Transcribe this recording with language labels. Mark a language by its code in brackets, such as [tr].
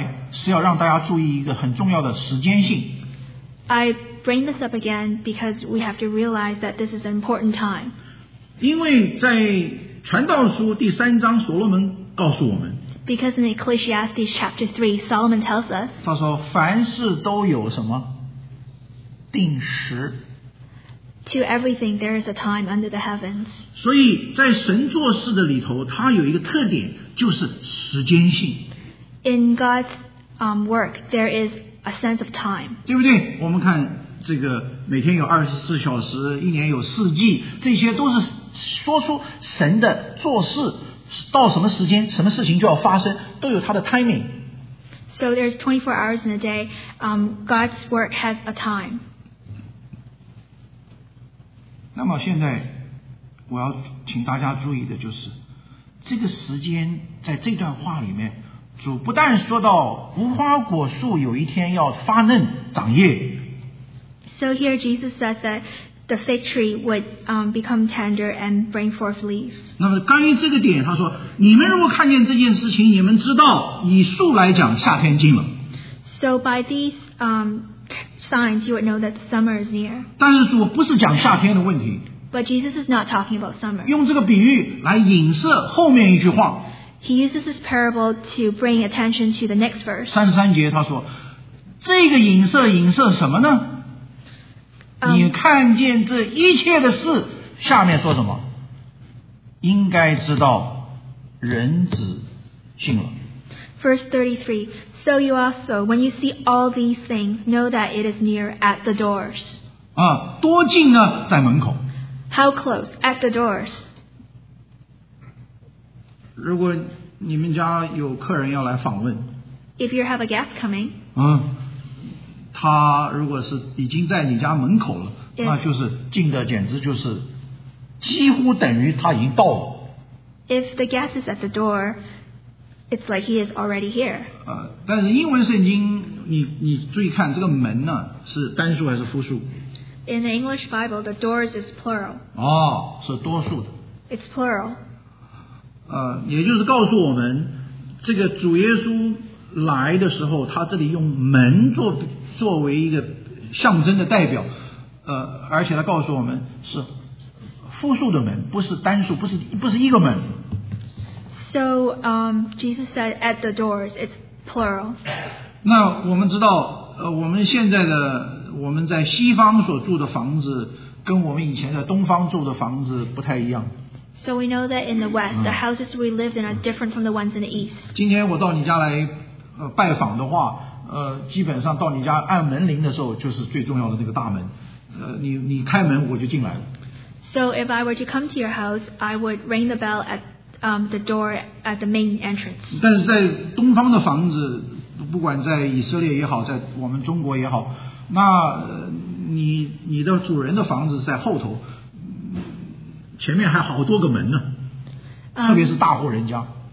[zh] 可是我今天把它再次提出来，是要让大家注意一个很重要的时间性。 [en] I bring this up again because we have to realize that this is an important time. [zh] 因为在传道书第三章，所罗门告诉我们。 [en] Because in Ecclesiastes chapter 3, Solomon tells us. [zh] 他说凡事都有什么？ 定时 [en] To everything there is a time under the heavens. [zh] 所以在神做事的里头，它有一个特点，就是时间性。 [en] In God's work, there is a sense of time. [zh] 对不对？我们看这个每天有二十四小时，一年有四季，这些都是说出神的做事到什么时间，什么事情就要发生，都有它的 timing。 [en] So there's 24 hours in a day. God's work has a time. [zh] 那么现在我要请大家注意的就是，这个时间在这段话里面，主不但说到无花果树有一天要发嫩长叶。 [en] So here Jesus said that the fig tree would become tender and bring forth leaves. [zh] 那么关于这个点，他说，你们如果看见这件事情，你们知道以树来讲，夏天近了。 [en] So by these signs, you would know that summer is near. [zh] 但是主不是讲夏天的问题。 [en] But Jesus is not talking about summer. [zh] 用这个比喻来影射后面一句话。 [en] He uses this parable to bring attention to the next verse. [zh] 三十三节他说，这个影射影射什么呢？你看见这一切的事，下面说什么？应该知道人子近了。 [en] Verse 33, so you also, when you see all these things, know that it is near at the doors. [zh] 啊，多近呢？在门口。 [en] How close? At the doors. [zh] 如果你们家有客人要来访问。 [en] If you have a guest coming. [zh] 他如果是已经在你家门口了，那就是近的，简直就是几乎等于他已经到了。 [en] If the guest is at the door, it's like he is already here. [zh] 但是英文圣经，你注意看这个门呢，是单数还是复数 [en] ？In the English Bible, the doors is plural. [zh] 哦，是多数的。 [en] It's plural. [zh] 也就是告诉我们，这个主耶稣来的时候，他这里用门作为一个象征的代表，而且他告诉我们是复数的门，不是单数，不是一个门。 [en] So, Jesus said at the doors, it's plural. [zh] 那我们知道，我们现在的我们在西方所住的房子，跟我们以前在东方住的房子不太一样。 [en] So we know that in the West, the houses we lived in are different from the ones in the East. [zh] 今天我到你家来拜访的话。基本上到你家按门铃的时候，就是最重要的那个大门。你开门我就进来了。 [en] So if I were to come to your house, I would ring the bell at the door at the main entrance. [zh] 但是在东方的房子，不管在以色列也好，在我们中国也好，那你的主人的房子在后头，前面还好多个门呢，特别是大户人家。